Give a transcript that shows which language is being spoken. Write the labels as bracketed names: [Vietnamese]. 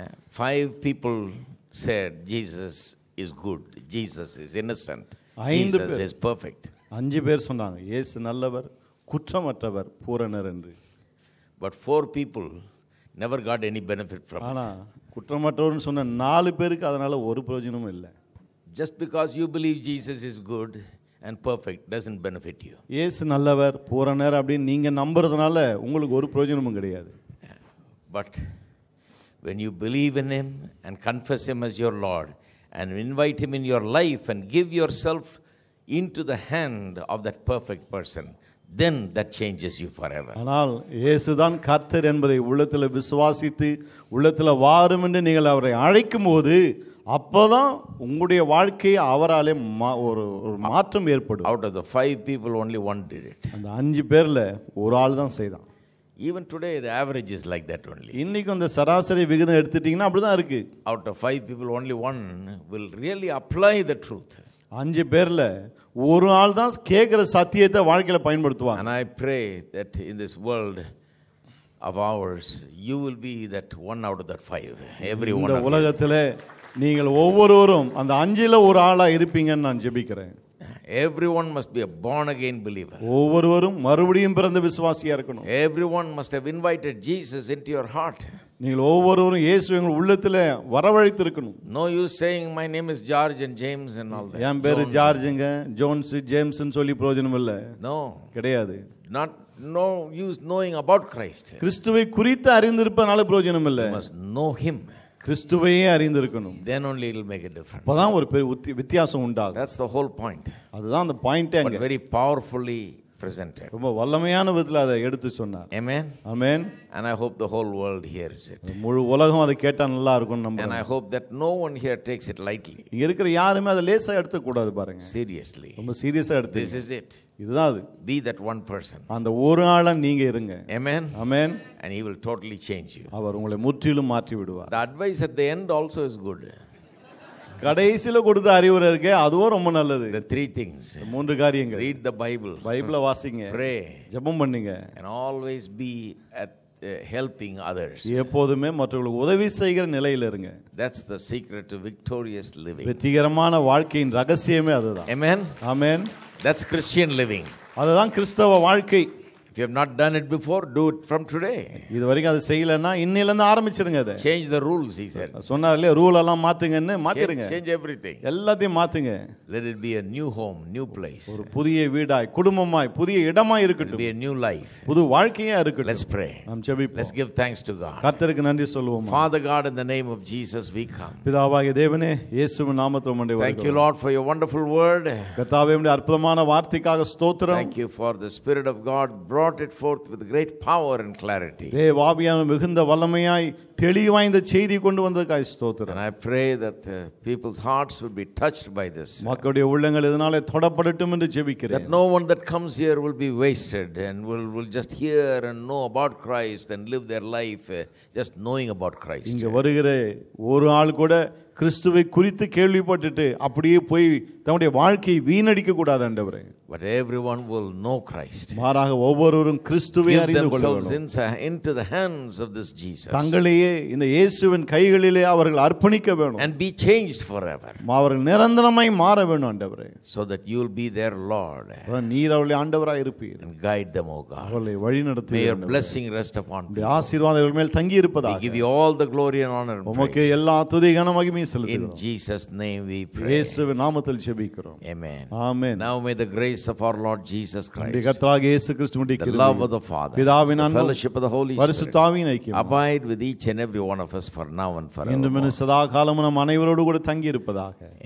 [English] Five people said Jesus is good. Jesus is innocent. Jesus is perfect. [Tamil] அஞ்சு பேர் சொன்னாங்க இயேசு நல்லவர் குற்றமற்றவர் பூரணர் என்று. [English] But four people never got any benefit from it. [Tamil] குற்றமற்றவர்னு சொன்ன நாலு பேருக்கு அதனால ஒரு பிரயோஜனமும் இல்லை. [English] Just because you believe Jesus is good and perfect doesn't benefit you. [Tamil] இயேசு நல்லவர் பூரணர் அப்படி நீங்க நம்புறதனால உங்களுக்கு ஒரு பிரயோஜனமும் கிடையாது. [English] But when you believe in him and confess him as your Lord and invite him in your life and give yourself into the hand of that perfect person, then that changes you forever. [Tamil] ஆனால் இயேசு தான் கர்த்தர் என்பதை உள்ளத்தில் விசுவாசித்து உள்ளத்தில் வாரும் என்று நீங்கள் அவரை அழைக்கும் போது அப்போதான் உங்களுடைய வாழ்க்கையை அவராலே ஒரு மாற்றம் ஏற்படும். [English] Out of the five people only one did it. [Tamil] அந்த அஞ்சு பேரில் ஒரு ஆள் தான் செய்தான். [English] Even today the average is like that only. [Tamil] இன்னைக்கு அந்த சராசரி விகிதம் எடுத்துட்டீங்கன்னா அப்படி தான் இருக்கு. [English] Out of five people only one will really apply the truth. [Tamil] அஞ்சு பேரில் ஒரு ஆள் தான் கேட்குற சத்தியத்தை வாழ்க்கையில் பயன்படுத்துவாங்க. [English] And I pray that in this world of ours you will be that one out of that five. Every one of you. [Tamil] உலகத்தில் நீங்கள் ஒவ்வொருவரும் அந்த அஞ்சில் ஒரு ஆளாக இருப்பீங்கன்னு நான் ஜெபிக்கிறேன். [English] Everyone must be a born again believer. [Tamil] ஒவ்வொருவரும் மறுபடியும் பிறந்த விசுவாசியா இருக்கணும். [English] Everyone must have invited Jesus into your heart. [Tamil] நீங்கள் ஒவ்வொருவரும் இயேசு எங்கள் உள்ளத்தில் வரவழைத்து இருக்கணும். [English] No use saying my name is George and James and all that. [Tamil] என் பேர் ஜார்ஜ்ங்க ஜோன்ஸ் ஜேம்ஸ் னு சொல்லி பிரயோஜனம் இல்ல. [English] No. [Tamil] கிடையாது. [English] Not no use knowing about Christ. [Tamil] கிறிஸ்துவை குறித்து அறிந்திருப்பதனால பிரயோஜனம் இல்ல. [English] You must know him. [Tamil] கிறிஸ்துவையே அறிந்திருக்கணும். [English] Then only it will make a difference. [Tamil] அப்பதான் ஒரு பெரிய வித்தியாசம் உண்டாகும். [English] That's the whole point. [Tamil] அதுதான் அந்த பாயிண்டே. [English] But very powerfully presented. [Tamil] ரொம்ப வல்லமையான விதத்தில் அதை எடுத்து சொன்னார். [English] Amen. Amen. And I hope the whole world hears it. [Tamil] முழு உலகம் அதை கேட்டா நல்லா இருக்கும்னு நம்புறேன். [English] And I hope that no one here takes it lightly. [Tamil] இங்க இருக்கிற யாருமே அதை லேசா எடுத்து கூடாது பாருங்க. [English] Seriously. [Tamil] ரொம்ப சீரியஸா எடுத்து. [English] This is it. [Tamil] இதுதான் அது. [English] Be that one person. [Tamil] அந்த ஒரு ஆளா நீங்க இருங்க. [English] Amen. Amen. And he will totally change you. [Tamil] அவர் உங்களை முற்றிலும் மாற்றி விடுவார். [English] The advice at the end also is good. [Tamil] கடைசியில் கொடுத்த அறிவுரை இருக்கே அதுவும் ரொம்ப நல்லது. [English] The three things. [Tamil] மூன்று காரியங்கள். [English] Read the Bible. [Tamil] பைபிளை வாசிங்க. [English] Pray. [Tamil] ஜெபம் பண்ணுங்க. [English] And always be at helping others. [Tamil] எப்போதுமே மற்றவர்களுக்கு உதவி செய்கிற நிலையில் இருங்க. [English] That's the secret to victorious living. [Tamil] வெற்றிகரமான வாழ்க்கையின் ரகசியமே அதுதான். [English] Amen. Amen. That's Christian living. [Tamil] அதுதான் கிறிஸ்தவ வாழ்க்கை. [English] If you have not done it before, do it from today. [Tamil] இது வரைக்கும் அதை செய்யலன்னா இன்னிலிருந்து ஆரம்பிச்சிருங்க. அதை [English] change the rules, he said. [Tamil] சொன்னாரே ரூல் எல்லாம் மாத்துங்கன்னு மாத்திருங்க. [English] Change everything. [Tamil] எல்லாத்தையும் மாத்துங்க. [English] Let it be a new home, new place. [Tamil] ஒரு புதிய வீடாய் குடும்பமாய் புதிய இடமாய் இருக்கட்டும். [English] Be a new life. [Tamil] புது வாழ்க்கையா இருக்கட்டும். [English] Let's pray. [Tamil] நாம் ஜெபிப்போம். [English] Let's give thanks to God. [Tamil] கர்த்தருக்கு நன்றி சொல்வோம். [English] Father God, in the name of Jesus we come. [Tamil] பிதாவாகிய தேவனே, இயேசுவின் நாமத்தில் உம்மை வணங்குகிறோம். [English] Thank you Lord for your wonderful word. [Tamil] கர்த்தாவே, உம்முடைய அற்புதமான வார்த்தைக்காக ஸ்தோத்திரம். [English] Thank you for the spirit of God brought it forth with great power and clarity. [Tamil] தேவாபியான மிகுந்த வல்லமையாய் தெளிவாய்ந்த செய்தி கொண்டு வந்ததற்காய் ஸ்தோத்திரம். [English] And I pray that the people's hearts would be touched by this. [Tamil] மக்களுடைய உள்ளங்கள் இதனாலே தொடப்படட்டும் என்று ஜெபிக்கிறேன். [English] That no one that comes here will be wasted and will just hear and know about Christ and live their life just knowing about Christ. [Tamil] இங்க வருகிற ஒரு ஆள் கூட கிறிஸ்துவை குறித்து கேள்விப்பட்டுட்டு அப்படியே போய் தன்னுடைய வாழ்க்கையை வீணடிக்க கூடாது ஆண்டவரே. [English] But everyone will know Christ. [Tamil] மாறாக ஒவ்வொருவரும் கிறிஸ்துவை அறிந்து கொள்ளணும். [English] Give themselves into the hands of this Jesus. [Tamil] தங்களையே இந்த இயேசுவின் கைகளிலே அவர்கள் அர்ப்பணிக்க வேண்டும். [English] And be changed forever. [Tamil] அவர்கள் நிரந்தரமாய் மாற வேண்டும் ஆண்டவரே. [English] So that you will be their Lord. [Tamil] நீர் அவர்களை ஆண்டவராய் இருப்பீர். [English] And guide them, O God. [Tamil] அவர்களை வழிநடத்துவீர். [English] May your blessing rest upon [Tamil] them. ஆசீர்வாதங்கள் மேல் தங்கி இருப்பதாக. [English] We give you all the glory and honor and praise. [Tamil] உமக்கு எல்லா துதி கன மகிமையும் செலுத்துகிறோம். [English] In Jesus name we pray. [Tamil] இயேசுவின் நாமத்தில் ஜெபிக்கிறோம். [English] Amen. Amen. Now may the grace of our Lord Jesus Christ. [Tamil] கர்த்தராகிய இயேசு கிறிஸ்துவின் கிருபை. [English] The love of the Father. [Tamil] பிதாவின் அன்பு. [English] The fellowship of the Holy [Tamil] Spirit. பரிசுத்தாவியின் ஐக்கியம். [English] Abide with each and every one of us for now and forever. [Tamil] இன்னும் சதா காலமும் நம் அனைவரோடு கூட தங்கி இருப்பதாக.